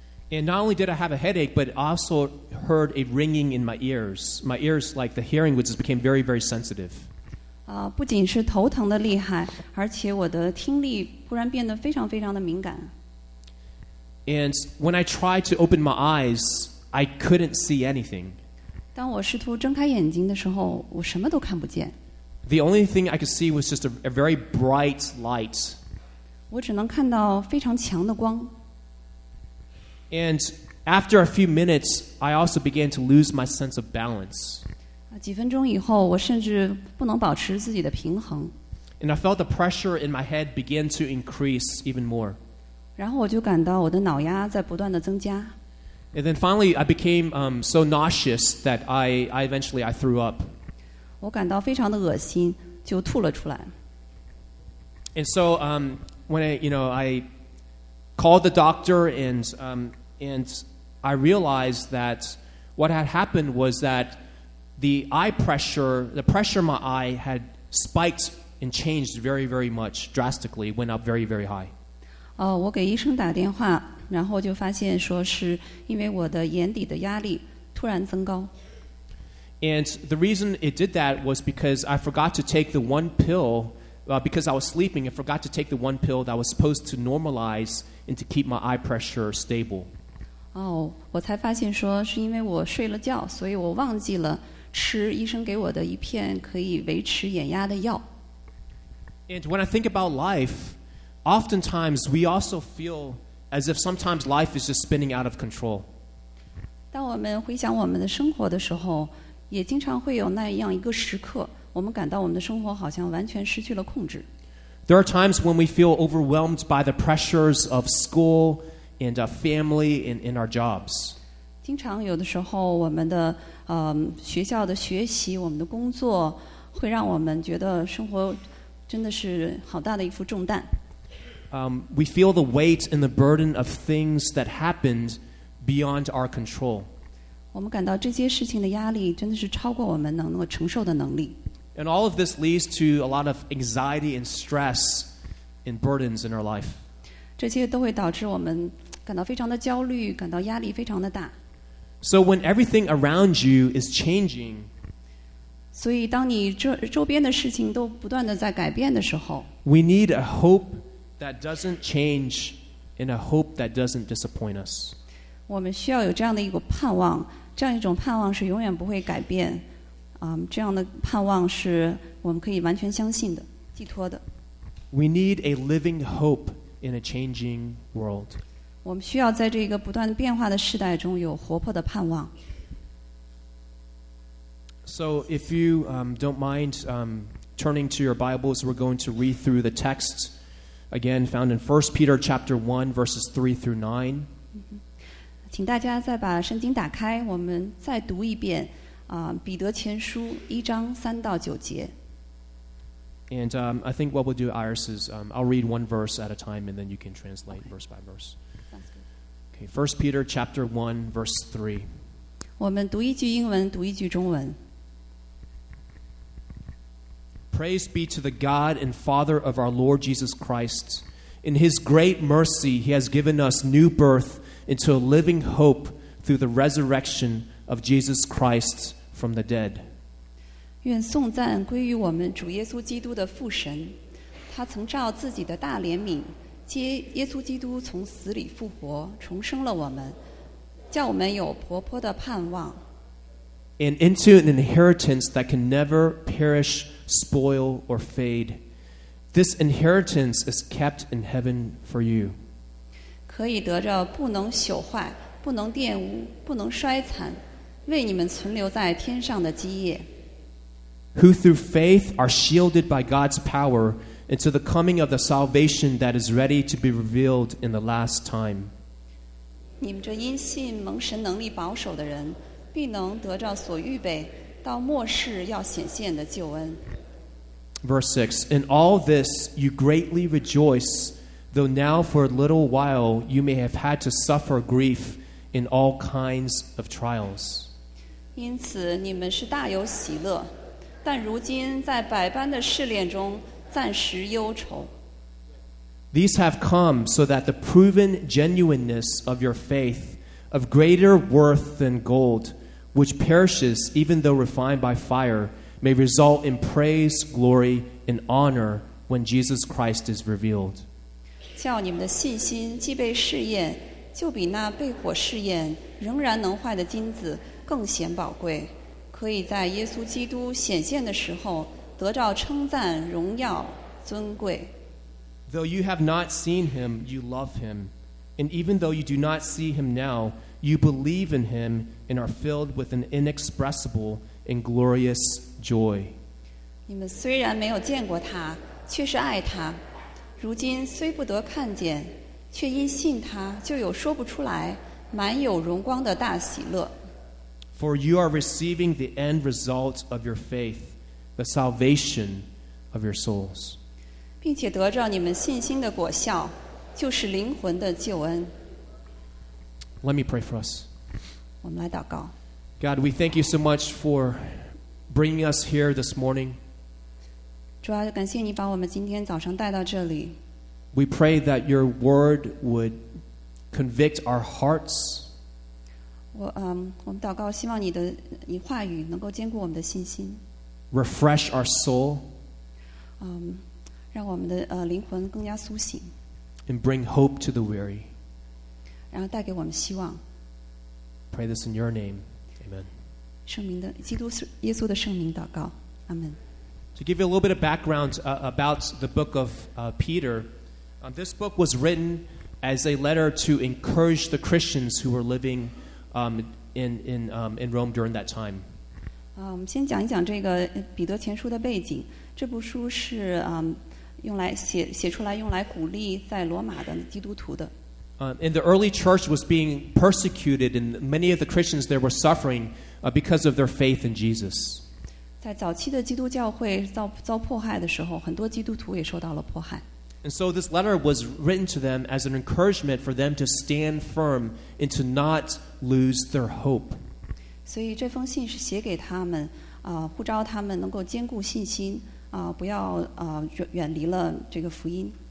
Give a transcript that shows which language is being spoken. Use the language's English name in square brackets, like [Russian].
[English] And not only did I have a headache, but I also heard a ringing in my ears. My ears, like the hearing, which just became very, very sensitive. [Chinese] 不仅是头疼的厉害，而且我的听力忽然变得非常非常的敏感。 [English] And when I tried to open my eyes, I couldn't see anything. [Chinese] 当我试图睁开眼睛的时候，我什么都看不见。 [English] The only thing I could see was just a very bright light. [Chinese] 我只能看到非常强的光。 [English] And after a few minutes, I also began to lose my sense of balance. [Chinese] 几分钟以后，我甚至不能保持自己的平衡。 [English] And I felt the pressure in my head begin to increase even more. [Chinese] 然后我就感到我的脑压在不断的增加。 [English] And then finally, I became so nauseous that I eventually threw up. [Chinese] 我感到非常的恶心，就吐了出来。 [English] And so I called the doctor and I realized that what had happened was that the pressure in my eye had spiked and changed very, very much, drastically, went up very, very high. [Chinese] 我给医生打电话，然后就发现说是因为我的眼底的压力突然增高。 [English] And the reason it did that was because I forgot to take the one pill, because I was sleeping, I forgot to take the one pill that was supposed to normalize and to keep my eye pressure stable. [Chinese] 我才发现说是因为我睡了觉，所以我忘记了吃医生给我的一片可以维持眼压的药。 [English] And when I think about life, oftentimes we also feel as if sometimes life is just spinning out of control. [Chinese] 当我们回想我们的生活的时候，也经常会有那样一个时刻，我们感到我们的生活好像完全失去了控制。 [English] There are times when we feel overwhelmed by the pressures of school and family and in our jobs. [Chinese] 经常有的时候我们的学校的学习，我们的工作，会让我们觉得生活真的是好大的一副重担。 [English] We feel the weight and the burden of things that happened beyond our control. [Chinese] 我们感到这些事情的压力真的是超过我们能够承受的能力。 [English] And all of this leads to a lot of anxiety and stress and burdens in our life. [Chinese] 这些都会导致我们感到非常的焦虑，感到压力非常的大。 [English] So when everything around you is changing, [Chinese] 所以当你周边的事情都不断的在改变的时候， [English] we need a hope that doesn't change and a hope that doesn't disappoint us. [Chinese] 我们需要有这样的一个盼望，这样一种盼望是永远不会改变，这样的盼望是我们可以完全相信的，寄托的。 [English] We need a living hope in a changing world. [Chinese] 我们需要在这个不断变化的时代中有活泼的盼望。 [English] So if you don't mind turning to your Bibles, we're going to read through the text again found in 1 Peter chapter 1, verses 3 through 9. [Chinese] 请大家再把圣经打开，我们再读一遍彼得前书一章三到九节。 [English] And I think what we'll do, Iris, is I'll read one verse at a time and then you can translate verse by verse. Sounds good. Okay, 1 Peter chapter 1, verse 3. [Chinese] 我们读一句英文，读一句中文。 [English] Praise be to the God and Father of our Lord Jesus Christ. In his great mercy, he has given us new birth into a living hope through the resurrection of Jesus Christ from the dead. [Chinese] 愿颂赞归于我们主耶稣基督的父神，他曾照自己的大怜悯，接耶稣基督从死里复活，重生了我们，叫我们有活泼的盼望。 [English] And into an inheritance that can never perish, spoil, or fade. This inheritance is kept in heaven for you. [Chinese] 可以得着不能朽坏，不能玷污，不能衰残，为你们存留在天上的基业。 [English] Who through faith are shielded by God's power into the coming of the salvation that is ready to be revealed in the last time. [Chinese] 你们这因信蒙神能力保守的人，必能得着所预备到末世要显现的救恩。 [English] Verse 6, In all this you greatly rejoice, though now for a little while you may have had to suffer grief in all kinds of trials. [Chinese] 因此你们是大有喜乐，但如今在百般的试炼中暂时忧愁。 [English] These have come so that the proven genuineness of your faith of greater worth than gold, which perishes even though refined by fire, may result in praise, glory, and honor when Jesus Christ is revealed. [Chinese] 叫你们的信心既被试验，就比那被火试验仍然能坏的金子更显宝贵，可以在耶稣基督显现的时候得着称赞、荣耀、尊贵。 [English] Though you have not seen him, you love him. And even though you do not see him now, you believe in him and are filled with an inexpressible and glorious joy. [Chinese] 你们虽然没有见过他，却是爱他。如今虽不得看见，却因信他，就有说不出来、满有荣光的大喜乐。 [English] For you are receiving the end result of your faith, the salvation of your souls. [Chinese] 并且得着你们信心的果效，就是灵魂的救恩。 [English] Let me pray for us. [Chinese] 我们来祷告。 [English] God, we thank you so much for bringing us here this morning. [Chinese] 主啊，感谢你把我们今天早上带到这里。 [English] We pray that your word would convict our hearts. [Chinese] 我们祷告，希望你话语能够坚固我们的信心。 [English] Refresh our soul. [Chinese] 让我们的灵魂更加苏醒。 [English] And bring hope to the weary. [Chinese] 然后带给我们希望。 [English] Pray this in your name. Amen. [Chinese] 圣名的基督耶稣的圣名祷告，阿们。 [English] To give you a little bit of background about the book of Peter, this book was written as a letter to encourage the Christians who were living in Rome during that time. [Chinese] 我们先讲一讲这个彼得前书的背景。这部书是用来写出来，用来鼓励在罗马的基督徒的。 [English] And the early church was being persecuted, and many of the Christians there were suffering because of their faith in Jesus. [Chinese] 在早期的基督教会遭迫害的时候，很多基督徒也受到了迫害。 [English] And so this letter was written to them as an encouragement for them to stand firm and to not lose their hope. [Chinese] 所以这封信是写给他们，呼召他们能够坚固信心，不要远离了这个福音。